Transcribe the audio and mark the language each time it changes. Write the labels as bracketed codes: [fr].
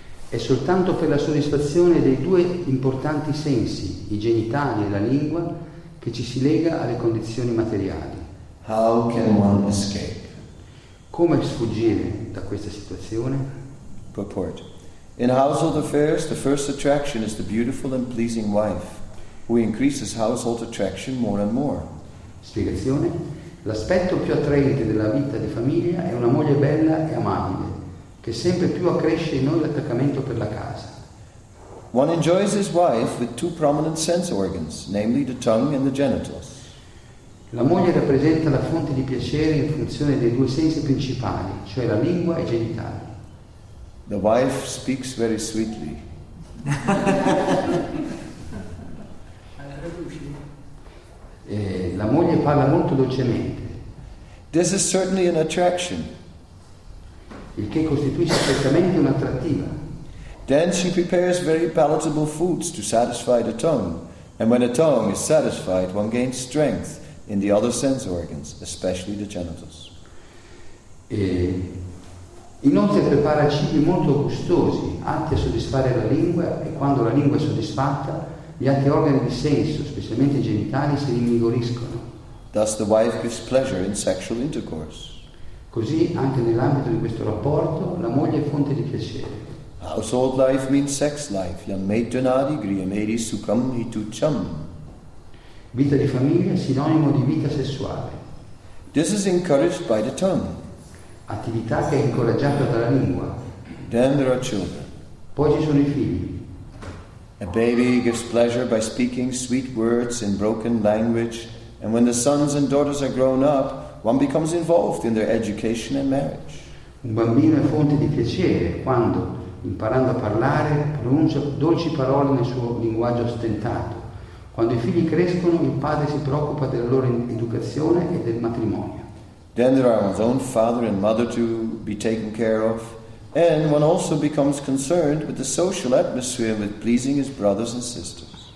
[it] È soltanto per la soddisfazione dei due importanti sensi, i genitali e la lingua, che ci si lega alle condizioni materiali. [en] How can one escape? [it] Come sfuggire da questa situazione? [en] Purport. In household affairs, the first attraction is the beautiful and pleasing wife, who increases household attraction more and more. [it] Spiegazione. L'aspetto più attraente della vita di famiglia è una moglie bella e amabile, che sempre più accresce in noi l'attaccamento per la casa. [en] One enjoys his wife with two prominent sense organs, namely the tongue and the genitals. [it] La moglie rappresenta la fonte di piacere in funzione dei due sensi principali, cioè la lingua e i genitali. [en] The wife speaks very sweetly. [it] La moglie parla molto dolcemente. [en] This is certainly an attraction. [it] Il che costituisce certamente un'attrattiva. [en] Then she prepares very palatable foods to satisfy the tongue, and when the tongue is satisfied, one gains strength in the other sense organs, especially the genitals. [it] Inoltre prepara cibi molto gustosi, atti a soddisfare la lingua, e quando la lingua è soddisfatta, gli altri organi di senso, specialmente i genitali, si rinvigoriscono. [en] Thus the wife gives pleasure in sexual intercourse. [it] Così, anche nell'ambito di questo rapporto, la moglie è fonte di piacere. [en] Household life means sex life. [sa] Yam me tonadi griameri sukam hitucham. [it] Vita di famiglia è sinonimo di vita sessuale. [en] This is encouraged by the tongue. [it] Attività che è incoraggiata dalla lingua. [en] Then there are children. [it] Poi ci sono i figli. [en] A baby gives pleasure by speaking sweet words in broken language, and when the sons and daughters are grown up, one becomes involved in their education and marriage. [it] Un bambino è fonte di piacere quando, imparando a parlare, pronuncia dolci parole nel suo linguaggio stentato. Quando i figli crescono, il padre si preoccupa della loro educazione e del matrimonio. [en] Then there are one's own father and mother to be taken care of, and one also becomes concerned with the social atmosphere with pleasing his brothers and sisters.